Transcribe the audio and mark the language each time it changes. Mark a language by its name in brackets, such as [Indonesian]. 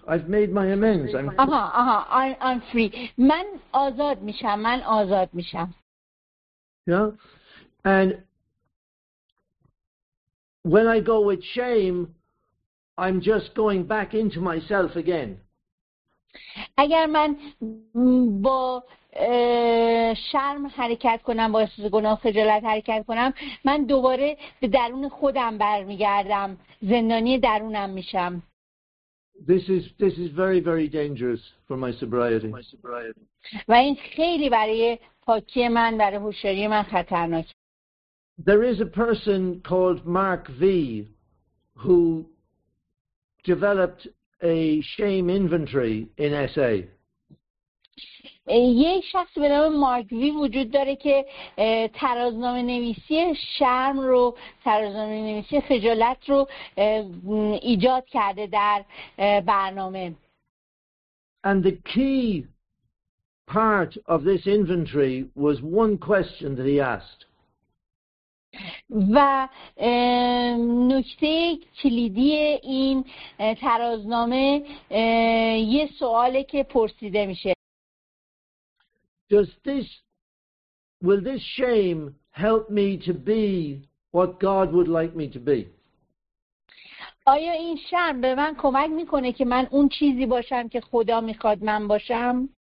[English] I've made my amends. I'm free. [Persian] من آزاد میشم. من آزاد میشم. [English] Yeah, and when I go with shame, I'm just going back into myself again. [Persian] اگر من با شرم حرکت کنم، با احساس گناه خجالت حرکت کنم، من دوباره به درون خودم برمیگردم، زندانی درونم میشم. [English] This is very very dangerous for my sobriety. [Persian] و این خیلی برای پاکی من، برای هوشیاری من خطرناک. [English] There is a person called Mark V who developed a shame inventory in SA. [Persian] یه شخص به نام مارک وی وجود داره که ترازنامه نویسی شرم رو، ترازنامه نویسی خجالت رو ایجاد کرده در برنامه. [English] And the key part of this inventory was one question that he asked. [Persian] و نکته کلیدی این ترازنامه یه سواله که پرسیده میشه. [English] Will this shame help me to be what God would like me to be? [Persian] آیا این شرم به من کمک میکنه که من اون چیزی باشم که خدا میخواد من باشم؟